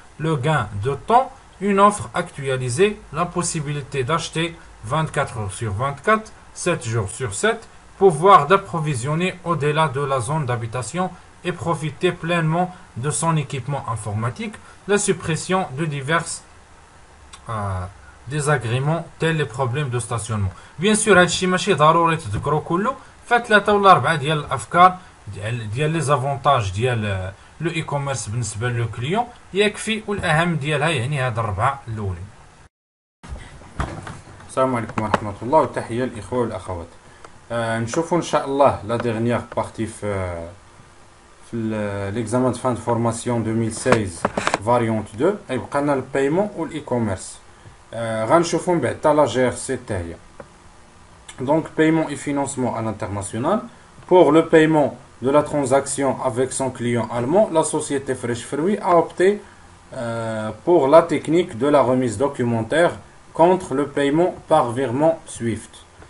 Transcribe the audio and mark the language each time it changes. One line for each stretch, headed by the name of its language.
French: Le gain de temps, une offre actualisée, la possibilité d'acheter 24 heures sur 24, 7 jours sur 7, pouvoir d'approvisionner au-delà de la zone d'habitation et profiter pleinement de son équipement informatique, la suppression de divers désagréments tels les problèmes de stationnement. Bien sûr,
Arabic: هادشي ماشي ضروري تذكرو كله.
French: Fait 3 ou 4
Arabic: ديال الافكار ديال
French: les avantages
Arabic: ديال le e-commerce بالنسبة للكليون يكفي والأهم ديالها يعني هاد الربعة الأولى. السلام عليكم ورحمة الله وتحية الإخوة والأخوات. نشوفوا إن شاء الله
French: لا ديغنيغ بارتي في ليكزامان دو فان دو فورماسيون
Arabic: 2016 فاريونت 2 يبقى لنا البايمون والإيكوميرس. غنشوفوا من بعد حتى لا جي ار سي حتى هي.
French: Donc, paiement et financement à l'international. Pour le paiement de la transaction avec son client allemand, la société Fresh Fruit a opté pour la technique de la remise documentaire contre le paiement par virement SWIFT.